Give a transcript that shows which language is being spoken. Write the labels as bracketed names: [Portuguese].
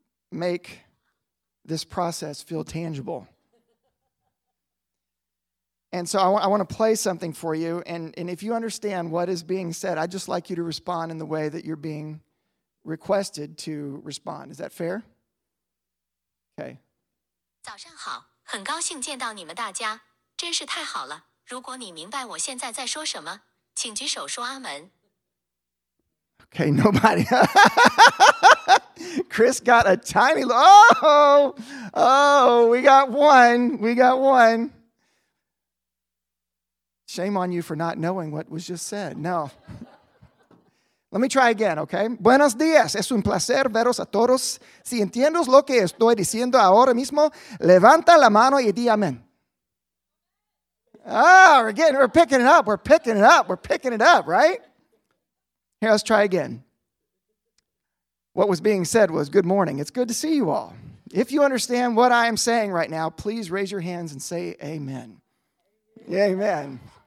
[English] make this process feel tangible. And so I want to play something for you, and if you understand what is being said, I'd just like you to respond in the way that you're being requested to respond. Is that fair? Okay. [Chinese] 早上好, 很高兴见到你们大家, 真是太好了, 如果你明白我现在在说什么, 请举手说阿门。 [English] Okay, nobody. Chris got a tiny little, we got one. Shame on you for not knowing what was just said. No. Let me try again, okay? [Spanish] Buenos dias. Es un placer veros a todos. Si entiendes lo que estoy diciendo ahora mismo, levanta la mano y di amén. [English] Ah, we're picking it up, right? Here, let's try again. What was being said was, good morning. It's good to see you all. If you understand what I am saying right now, please raise your hands and say amen. Amen.